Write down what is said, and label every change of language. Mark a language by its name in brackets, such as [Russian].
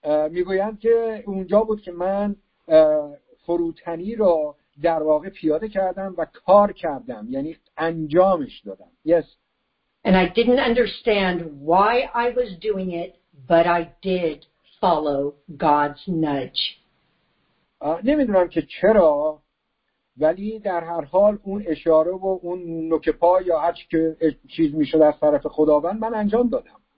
[Persian] میگویند که اونجا بود که من فروتنی را در واقع پیاده کردم و کار کردم، یعنی انجامش دادم. [English] Yes. And I didn't understand why I was doing it, but I did follow God's nudge. [Persian] نمیدونم که چرا، ولی در هر حال اون اشاره و اون نوک پا یا هر چی که چیز میشد از طرف خداوند من انجام دادم.